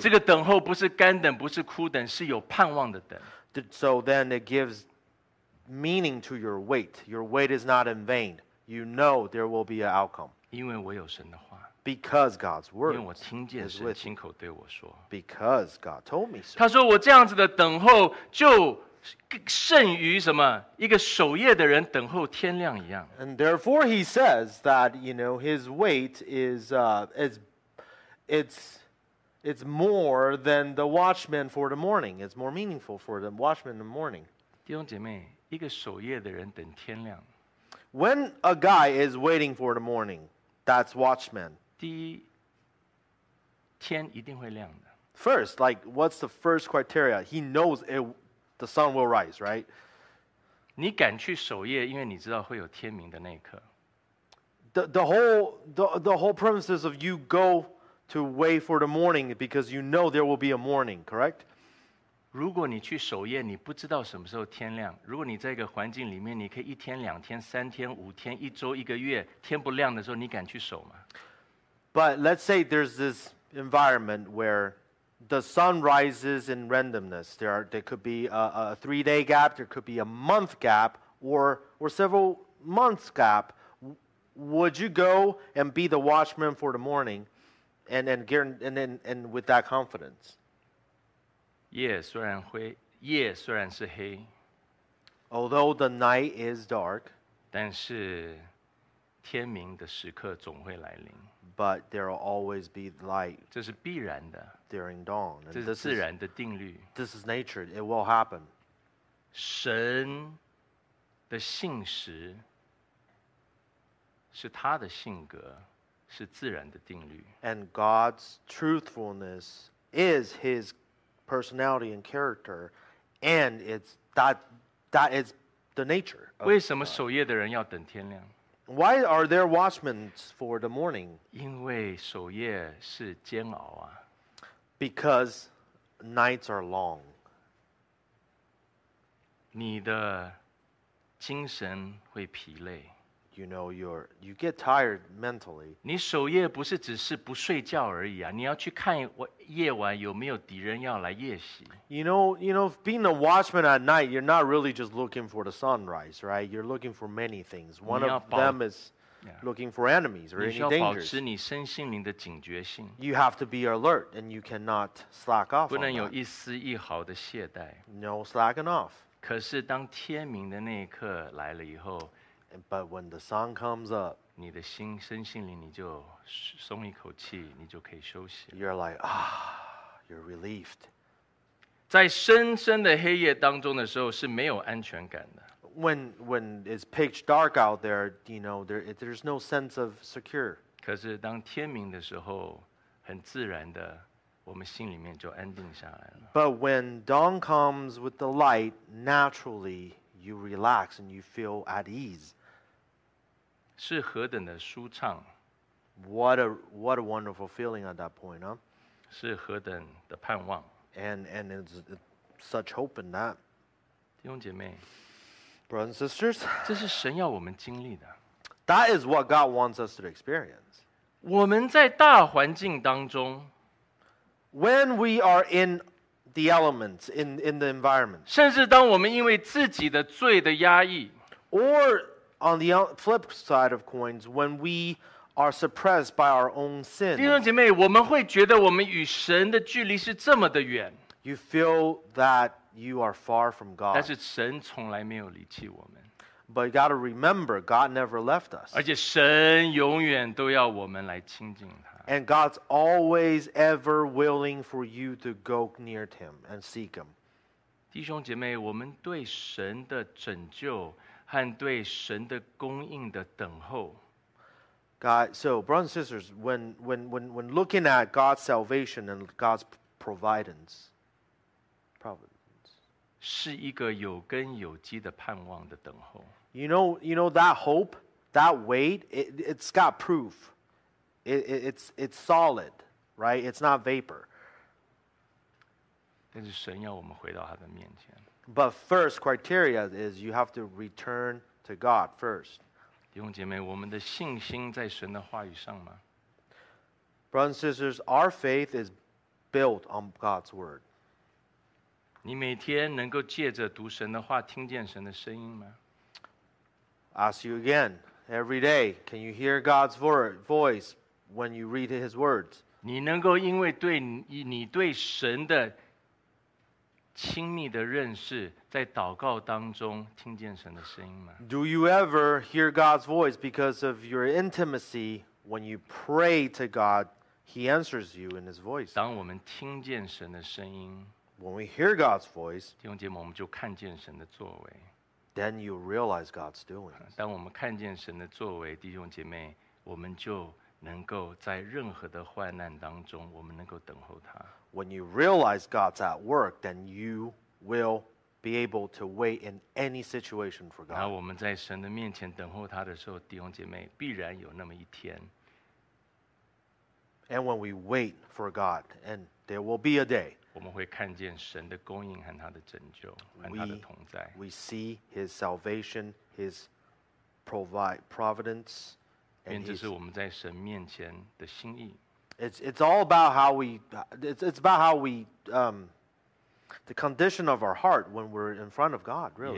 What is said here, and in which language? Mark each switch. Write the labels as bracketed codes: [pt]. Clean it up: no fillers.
[zh] 这个等候不是干等，不是苦等，是有盼望的等。 [en] So then it gives meaning to your wait. Your wait is not in vain. You know there will be an outcome. [zh] 因为我有神的话。 [en] Because God's word. [zh] 因为我听见神亲口对我说。 [en] Because God told me so. [zh] 他说我这样子的等候就胜于什么？一个守夜的人等候天亮一样。 [en] And therefore he says that, you know, his wait is more than the watchman for the morning. It's more meaningful for the watchman in the morning. [zh] 弟兄姐妹，一个守夜的人等天亮。 [en] When a guy is waiting for the morning, that's watchman. [zh] 第一，天一定会亮的。 [en] First, like, what's the first criteria? He knows the sun will rise, right? [zh] 你敢去守夜，因为你知道会有天明的那一刻。 [en] The whole premise of you go to wait for the morning because you know there will be a morning, correct? [zh] 如果你去守夜，你不知道什么时候天亮。如果你在一个环境里面，你可以一天、两天、三天、五天、一周、一个月，天不亮的时候，你敢去守吗？ [en] But let's say there's this environment where the sun rises in randomness. There could be a three-day gap, there could be a month gap, or several months gap. Would you go and be the watchman for the morning? And with that confidence. [zh] 夜虽然是黑, [en] although the night is dark, [zh] 但是天明的时刻总会来临。 [en] But there will always be light. [zh] 这是必然的。 [en] During dawn, [zh] 这是自然的定律。 [en] This is nature. It will happen. [zh] 神的信实是他的性格，是自然的定律。 [en] And God's truthfulness is His personality and character, and it's that is the nature. [zh] 为什么守夜的人要等天亮？ [en] Why are there watchmen for the morning? [zh] 因为守夜是煎熬啊。 [en] Because nights are long. [zh] 你的精神会疲累。 [en] You know, you get tired mentally. [zh] 你守夜不是只是不睡觉而已啊，你要去看夜晚有没有敌人要来夜袭。 [en] You know, being a watchman at night, you're not really just looking for the sunrise, right? You're looking for many things. One of them is looking for enemies or any dangers. [zh] 你需要保持你身心灵的警觉性。 [en] You have to be alert, and you cannot slack off. [zh] 不能有一丝一毫的懈怠。 [en] No slacking off. [zh] 可是当天明的那一刻来了以后。 [en] But when the sun comes up, [zh] 你的心身心灵你就松一口气，你就可以休息。 [en] You're like ah, you're relieved. [zh] 在深深的黑夜当中的时候是没有安全感的。 [en] When it's pitch dark out there, you know there's no sense of secure. [zh] 可是当天明的时候，很自然的，我们心里面就安定下来了。 [en] But when dawn comes with the light, naturally. You relax and you feel at ease. [zh] 是何等的舒畅。 [en] What a wonderful feeling at that point, huh? [zh] 是何等的盼望。 [en] And it's such hope in that. [zh] 弟兄姐妹。 [en] Brothers and sisters. [zh] 这是神要我们经历的。 [en] That is what God wants us to experience. [zh] 我们在大环境当中。 [en] When we are in... The elements in the environment. [zh] 甚至当我们因为自己的罪的压抑 [en] Or on the flip side of coins, when we are suppressed by our own sin. [zh] 弟兄姐妹，我们会觉得我们与神的距离是这么的远 [en] You feel that you are far from God. [zh] 但是神从来没有离弃我们 [en] But you got to remember, God never left us. [zh] 而且神永远都要我们来亲近他。 [en] And God's always ever willing for you to go near Him and seek Him. [zh] 弟兄姐妹，我们对神的拯救和对神的供应的等候。 [en] God, so brothers and sisters, when looking at God's salvation and God's providence, [zh] 是一个有根有基的盼望的等候。 [en] You know that hope, that wait, it's got proof. It's solid, right? It's not vapor. [zh] 但是神要我们回到他的面前。 [en] But first criteria is you have to return to God first. [zh] 弟兄姐妹，我们的信心在神的话语上吗？ [en] Brothers and sisters, our faith is built on God's word. [zh] 你每天能够借着读神的话听见神的声音吗？ [en] Ask you again, every day, can you hear God's voice? When you read his words, [zh] 你能够因为对你对神的亲密的认识，在祷告当中听见神的声音吗？ [en] Do you ever hear God's voice because of your intimacy when you pray to God? He answers you in his voice. [zh] 当我们听见神的声音， [en] When we hear God's voice, [zh] 弟兄姐妹，我们就看见神的作为。 [en] Then you realize God's doing. [zh] 当我们看见神的作为，弟兄姐妹，我们就能够在任何的患难当中，我们能够等候他。 [en] When you realize God's at work, then you will be able to wait in any situation for God. [zh] 那我们在神的面前等候他的时候，弟兄姐妹，必然有那么一天。 [en] And when we wait for God, and there will be a day, [zh] 我们会看见神的供应和他的拯救和他的同在。 [en] We see His salvation, His providence. [zh] 因这是我们在神面前的心意。 [en] It's all about how we, it's about how we, the condition of our heart when we're in front of God, really.